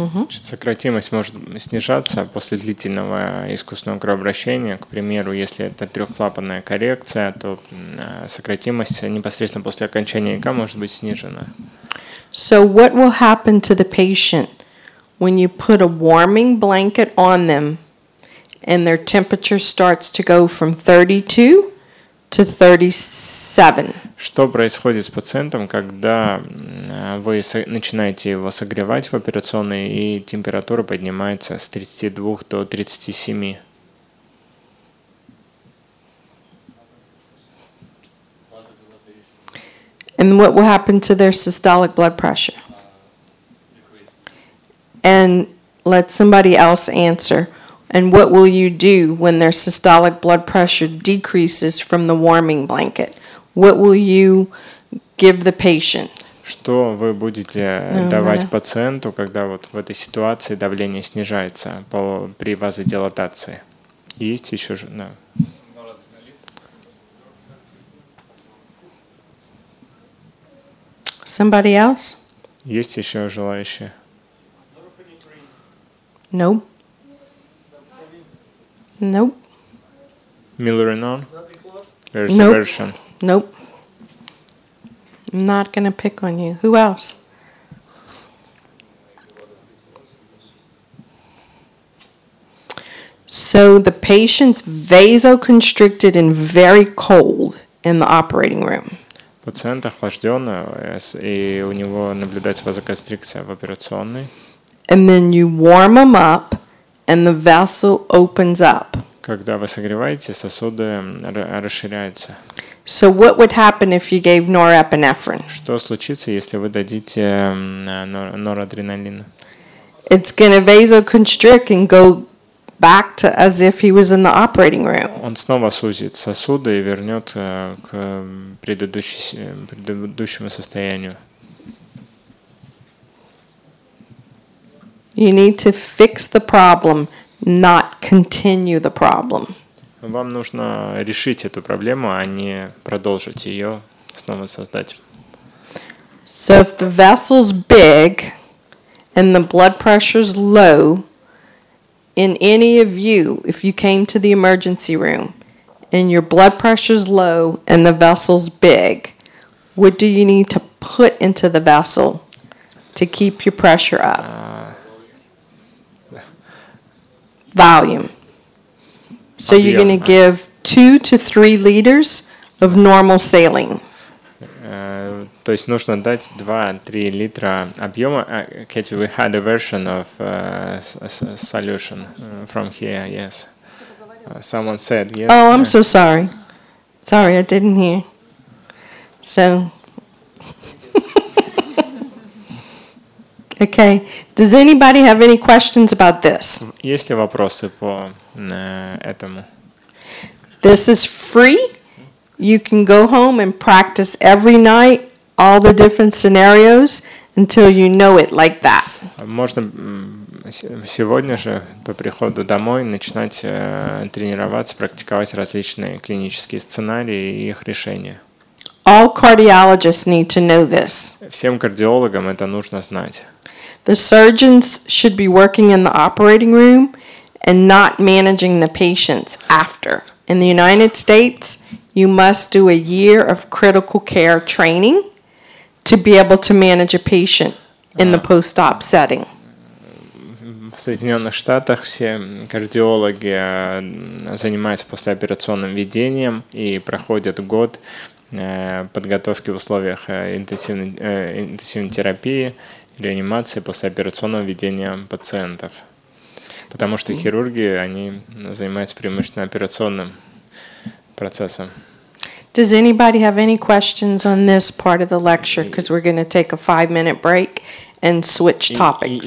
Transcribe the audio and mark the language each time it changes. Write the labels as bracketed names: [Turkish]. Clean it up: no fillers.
[Russian] Сократимость может снижаться после длительного искусственного кровообращения. К примеру, если это трехклапанная коррекция, то сократимость непосредственно после окончания ЭКО может быть снижена. [English] So what will happen to the patient when you put a warming blanket on them and their temperature starts to go from 32 to 37? [Russian] Что происходит с пациентом, когда вы начинаете его согревать в операционной, и температура поднимается с 32 до 37? [English] And what will happen to their systolic blood pressure? And let somebody else answer. And what will you do when their systolic blood pressure decreases from the warming blanket? What will you give the patient? [Russian] Что вы будете давать пациенту, когда вот в этой ситуации давление снижается при вазодилатации? Есть еще же, да. [English] Somebody else? [Russian] Есть еще желающие? [English] No. Nope. Milrinone? There's nope. Aversion. Nope. I'm not going to pick on you. Who else? So the patient's vasoconstricted and very cold in the operating room. [Russian] Пациент охлажден, и у него наблюдается вазоконстрикция в операционной. [English] And then you warm them up, and the vessel opens up. [Russian] Когда вы согреваете, сосуды расширяются. [English] So what would happen if you gave norepinephrine? [Russian] Что случится, если вы дадите норадреналин? [English] It's going to vasoconstrict and go back to as if he was in the operating room. [Russian] Он снова сузит сосуды и вернет к предыдущему состоянию. [English] You need to fix the problem, not continue the problem. [Russian] Вам нужно решить эту проблему, а не продолжить ее снова создать. [English] So if the vessel's big and the blood pressure's low, in any of you, if you came to the emergency room and your blood pressure's low and the vessel's big, what do you need to put into the vessel to keep your pressure up? Volume. So [Russian] объем. [English] You're going to give 2 to 3 liters of normal saline. [Russian] То есть нужно дать 2-3 литра объема. Кэти, [English] we had a version of solution from here, yes. Someone said yes. Oh, I'm so sorry. Sorry, I didn't hear. So. Okay. Does anybody have any questions about this? [Russian] Есть ли вопросы по этому? [English] This is free. You can go home and practice every night all the different scenarios until you know it like that. [Russian] Можно сегодня же по приходу домой начинать тренироваться, практиковать различные клинические сценарии и их решения. [English] All cardiologists need to know this. [Russian] Всем кардиологам это нужно знать. [English] The surgeons should be working in the operating room and not managing the patients after. In the United States, you must do a year of critical care training to be able to manage a patient in the post-op setting. [Russian] В Соединенных Штатах все кардиологи занимаются послеоперационным ведением и проходят год подготовки в условиях интенсивной терапии, реанимации, послеоперационного ведения пациентов. Потому что хирурги, они занимаются преимущественно операционным процессом. [English] Does anybody have any questions on this part of the lecture? Because we're going to take a 5-minute break and switch topics.